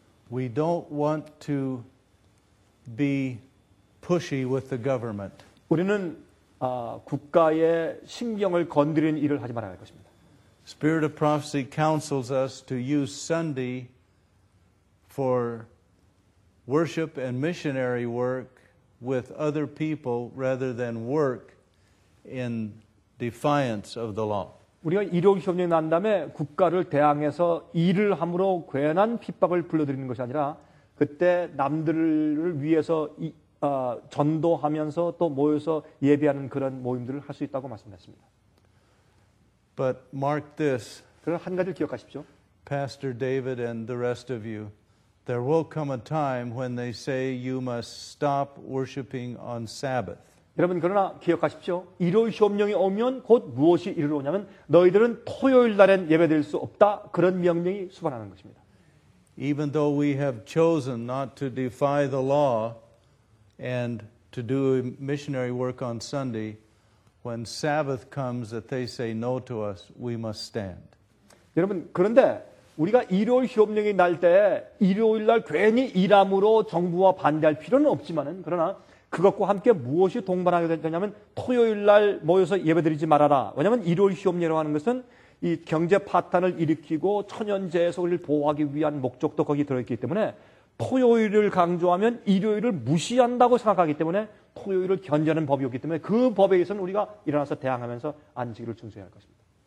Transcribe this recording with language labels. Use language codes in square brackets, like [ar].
[en] we don't want to be pushy with the government. [ko] 우리는 국가의 신경을 건드리는 일을 하지 말아야 할 것입니다. [en] Spirit of prophecy counsels us to use Sunday for worship and missionary work with other people rather than work in defiance of the law. [ko] 우리가 일요일 협력이 난 다음에 국가를 대항해서 일을 함으로 괜한 핍박을 불러들이는 것이 아니라 그때 남들을 위해서 전도하면서 또 모여서 예배하는 그런 모임들을 할 수 있다고 말씀했습니다. [en] But mark this. [ko] 그럼 한 가지를 기억하십시오. [en] Pastor David and the rest of you, there will come a time when they say you must stop worshiping on Sabbath. [ko] 여러분 그러나 기억하십시오. 일요일 휴업령이 오면 곧 무엇이 일어나냐면 너희들은 토요일 날엔 예배드릴 수 없다. 그런 명령이 수반하는 것입니다. [en] Even though we have chosen not to defy the law and to do missionary work on Sunday, when Sabbath comes that they say no to us, we must stand. [ko] 여러분 그런데 우리가 일요일 휴업령이 날 때 일요일 날 괜히 일함으로 정부와 반대할 필요는 없지만은 그러나 그것과 함께 무엇이 동반하게 되냐면 토요일 날 모여서 예배드리지 말아라. 왜냐하면 일요일 휴업령이라고 하는 것은 이 경제 파탄을 일으키고 천연재해에서 우리를 보호하기 위한 목적도 거기 들어있기 때문에 토요일을 강조하면 일요일을 무시한다고 생각하기 때문에 토요일을 견제하는 법이 없기 때문에 그 법에 의해서는 우리가 일어나서 대항하면서 안식일을 준수해야 할 것입니다.